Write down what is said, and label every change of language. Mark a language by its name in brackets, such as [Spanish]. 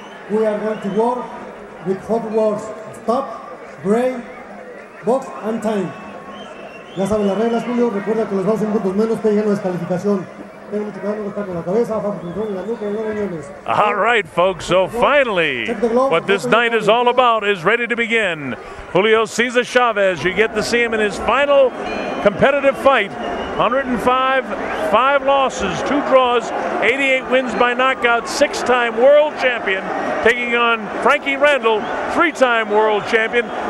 [English] We are going to work with four words: stop, brain, box, and time. [Spanish] Ya saben las reglas, Julio. Recuerda que los dos segundos menos que llegan a descalificación. [English] All right, folks, so finally what this night is all about is ready to begin. Julio Cesar Chavez, you get to see him in his final competitive fight. 105, 5 losses, 2 draws, 88 wins by knockout, 6-time world champion, taking on Frankie Randell, 3-time world champion.